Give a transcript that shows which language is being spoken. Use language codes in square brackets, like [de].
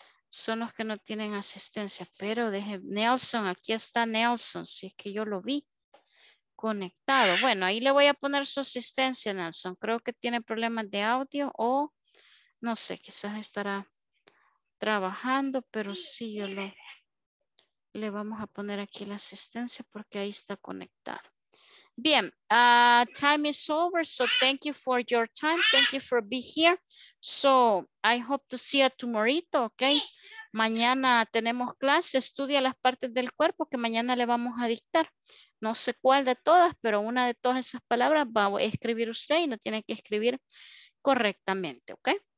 [es] Son los que no tienen asistencia, pero deje, Nelson, aquí está Nelson, si es que yo lo vi. conectado. Bueno, ahí le voy a poner su asistencia, Nelson. Creo que tiene problemas de audio o no sé, quizás estará trabajando, pero sí, yo lo, le vamos a poner aquí la asistencia porque ahí está conectado. [en] Bien, time is over, so thank you for your time. Thank you for being here. So I hope to see you tomorrow, okay? [es] Mañana tenemos clase, estudia las partes del cuerpo que mañana le vamos a dictar. No sé cuál de todas, pero una de todas esas palabras va a escribir usted y no tiene que escribir correctamente, ¿ok?